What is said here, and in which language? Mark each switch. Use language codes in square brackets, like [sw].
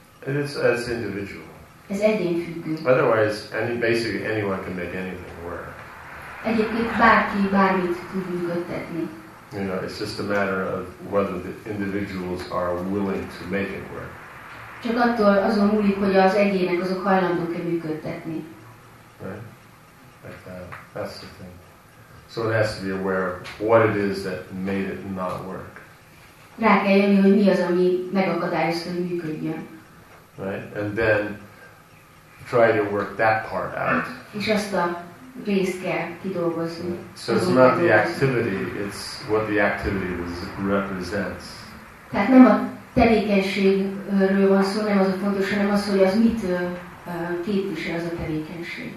[en] It is as individual. [hu] Ez egyénfüggő. [en] Otherwise, basically anyone can make anything work. [hu] Egyébként bárki bármit tud működtetni. [en] You know, it's just a matter of whether the individuals are willing to make it work. [hu] Csak attól azon múlik, hogy az egyének azok hajlandók-e működtetni. [en] Right? That's the thing. So it has to be aware of what it is that made it not work. [hu] Rá kell jönni, hogy mi az, ami megakadályozta, hogy működjön. [en] Right? And then try to work that part out. [hu] És azt a részt kell kidolgozni. [en] So it's not the activity, it's what the activity represents. [hu] Tehát nem a tevékenységről van szó, nem az a fontos, hanem az, hogy az mit képvisel az a tevékenység.